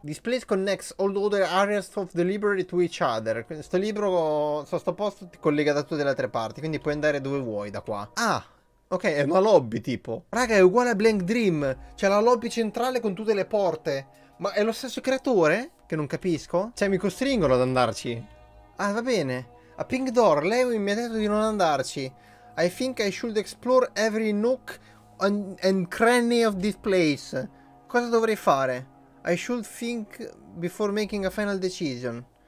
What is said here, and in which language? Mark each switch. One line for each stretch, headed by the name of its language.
English: This place connects all other areas of the library to each other.
Italian: Questo libro, sto posto ti collega da tutte le altre parti, quindi puoi andare dove vuoi da qua. Ah, ok, è una lobby tipo. Raga, è uguale a Blank Dream. C'è la lobby centrale con tutte le porte. Ma è lo stesso creatore? Che non capisco. Cioè, mi costringono ad andarci. Ah, va bene. A Pink Door, lei mi ha detto di non andarci.
English: I think I should explore every nook and cranny of this place.
Italian: Cosa dovrei fare?
English: I should think before making a final decision.